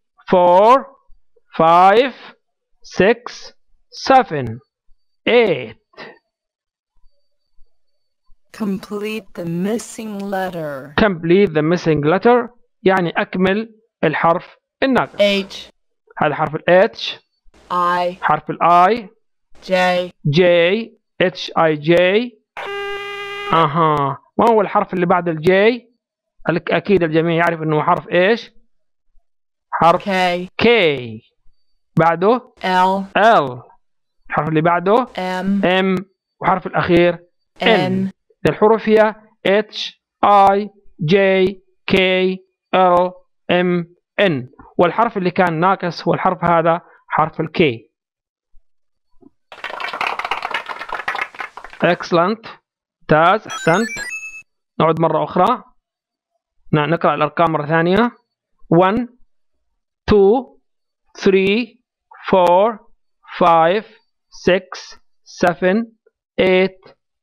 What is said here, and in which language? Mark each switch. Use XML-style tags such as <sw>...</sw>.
<en>four, five, six, seven, eight. Complete the missing letter. Complete the missing letter</en> <ar>يعني أكمل الحرف الناقص.</ar> <en>H.</en> <ar>هذا حرف ال H.</ar> <en>I.</en> <ar>حرف ال I.</ar> <en>J. J. H I J. أها.</en> <ar>ما هو الحرف اللي بعد ال J؟ أكيد الجميع يعرف إنه حرف إيش؟ حرف</ar> <en>K.</en> <ar>K. بعده</ar> <en>L.</en> <ar>L. الحرف اللي بعده</ar> <en>M.</en> <ar>M. وحرف الأخير</ar> <en>N. N.</en> <ar>الحروف هي H I J K L M N. والحرف اللي كان ناقص هو الحرف هذا حرف ال K.</ar> <en>Excellent.</en> <ar>تاز أحسنت. نعود مرة أخرى. نقرأ الأرقام مرة ثانية. 1, 2, 3, 4, 5, 6, 7, 8.</ar>